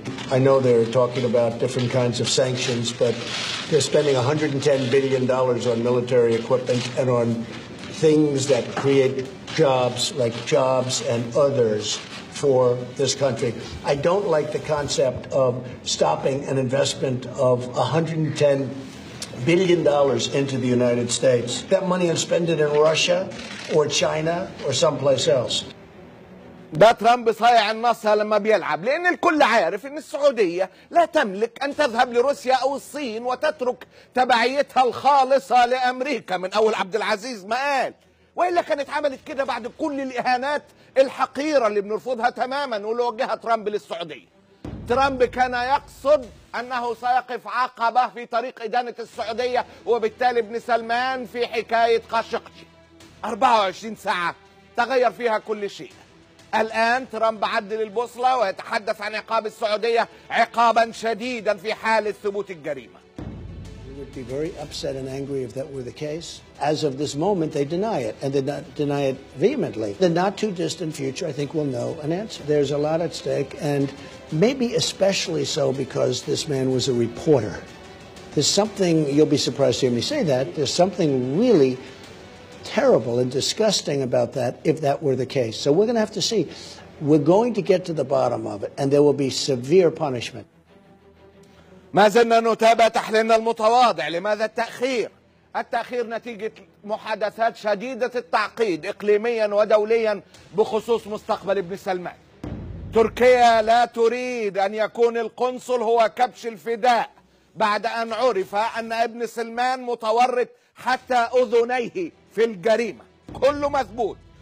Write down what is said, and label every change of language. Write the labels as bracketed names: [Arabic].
[English] I know they're talking about different kinds of sanctions, but they're spending $110 billion on military equipment and on things that create jobs, like jobs and others. for this country. I don't like the concept of stopping an investment of $110 billion into the United States. That money is spent in Russia or China or someplace else. [Arabic] ده ترامب صايع النصها لما بيلعب، لأن الكل عارف إن السعودية لا تملك أن تذهب لروسيا أو الصين وتترك تبعيتها الخالصة لأمريكا من أول عبد العزيز ما قال، وإلا كانت عملت كده بعد كل الإهانات الحقيرة اللي بنرفضها تماما واللي وجهها ترامب للسعودية. ترامب كان يقصد أنه سيقف عقبة في طريق إدانة السعودية وبالتالي ابن سلمان في حكاية قاشقجي. 24 ساعة تغير فيها كل شيء. الآن ترامب عدل البوصلة ويتحدث عن عقاب السعودية عقابا شديدا في حال ثبوت الجريمة. [English] We would be very upset and angry if that were the case. As of this moment, they deny it, and they deny it vehemently. The not too distant future, I think, we'll know an answer. There's a lot at stake, and maybe especially so because this man was a reporter. There's something, you'll be surprised to hear me say that, there's something really terrible and disgusting about that if that were the case. So we're going to have to see. We're going to get to the bottom of it and there will be severe punishment. [Arabic] ما زلنا نتابع تحليلنا المتواضع. لماذا التأخير؟ التأخير نتيجة محادثات شديدة التعقيد إقليميا ودوليا بخصوص مستقبل ابن سلمان. تركيا لا تريد أن يكون القنصل هو كبش الفداء بعد أن عرف أن ابن سلمان متورط حتى أذنيه في الجريمة. كله مثبوت.